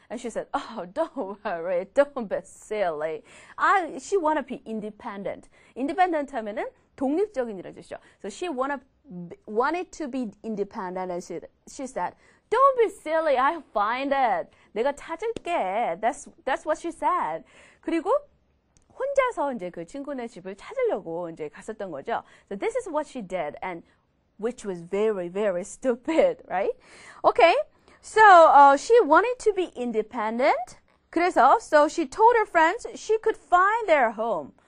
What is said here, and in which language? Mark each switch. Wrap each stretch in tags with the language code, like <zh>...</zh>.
<en>And she said, oh, don't worry, don't be silly. She want to be independent. Independent</en> <ko>하면은 독립적인이라는 뜻이죠.</ko> <en>So she wanted to be independent, and she said, don't be silly, I'll find it.</en> <ko>내가 찾을게.</ko> <en>That's what she said.</en> <ko>그리고 혼자서 이제 그 친구네 집을 찾으려고 이제 갔었던 거죠.</ko> <en>So this is what she did, and which was very, very stupid, right? Okay, so she wanted to be independent. 그래서, so she told her friends she could find their home.</en>